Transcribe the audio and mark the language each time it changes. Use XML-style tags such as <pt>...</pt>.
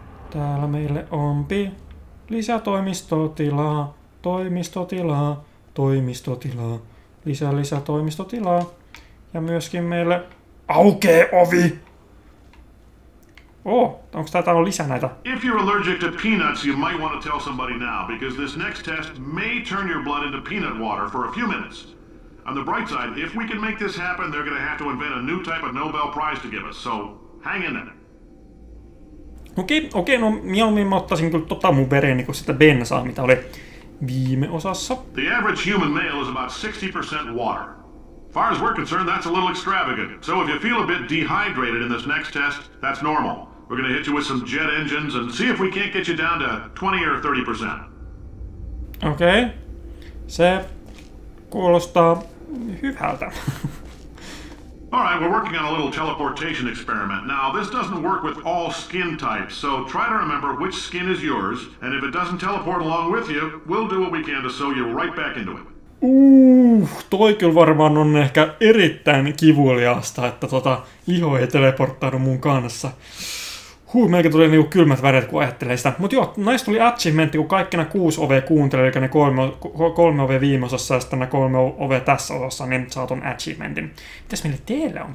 <fi>Täällä meille onpi lisää toimistotilaa, toimistotilaa, toimistotilaa, lisää toimistotilaa. Ja myöskin meille aukee ovi! Oh, onko tää täällä lisää näitä?</fi> <en>If you're allergic to peanuts, you might want to tell somebody now, because this next test may turn your blood into peanut water for a few minutes. On the bright side, if we can make this happen, they're gonna have to invent a new type of Nobel Prize to give us, so hang in there.</en> <fi>Okei, no mieluummin mä ottaisin kyllä tota mun vereeni, kun sitä bensaa, mitä oli viime osassa.</fi> <en>The average human male is about 60% water. Far as we're concerned, that's a little extravagant. So if you feel a bit dehydrated in this next test, that's normal. We're gonna hit you with some jet engines and see if we can't get you down to 20 or 30%.</en> <fi>Okei. Se kuulostaa hyvältä.</fi> <en>All right, we're working on a little teleportation experiment. Now, this doesn't work with all skin types, so try to remember which skin is yours, and if it doesn't teleport along with you, we'll do what we can to sew you right back into it.</en> <fi>Toi kyllä varmaan on ehkä erittäin kivuliasta, että iho ei teleporttaudu mun kanssa. Melkein tuli niinku kylmät väreet, kun ajattelee sitä. Mut joo, näistä tuli achievementti, kun kaikkina 6 ovea kuuntelee, eli ne 3 ovea viime osassa ja sitten ne 3 ovea tässä osassa, niin saa ton achievementin. Mitäs meille teillä on?</fi>